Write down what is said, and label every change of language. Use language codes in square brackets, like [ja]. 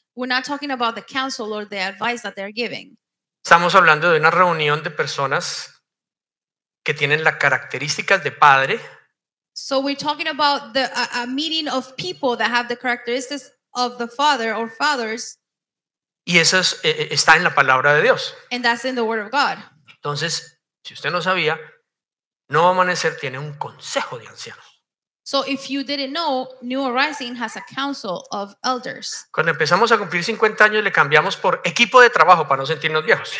[en] We're not talking about the council or the advice that they're giving. [es] Estamos hablando de una reunión de personas que tienen las características de padre. [en] So we're talking about a meeting of people that have the characteristics of the father or fathers. [es] Y eso está en la palabra de Dios. [en] And that's in the word of God. [es] Entonces, si usted no sabía, Nuevo Amanecer tiene un consejo de ancianos. [en] So if you didn't know, New Arising has a council of elders. [es] Cuando empezamos a cumplir 50 años, le cambiamos por equipo de trabajo para no sentirnos viejos.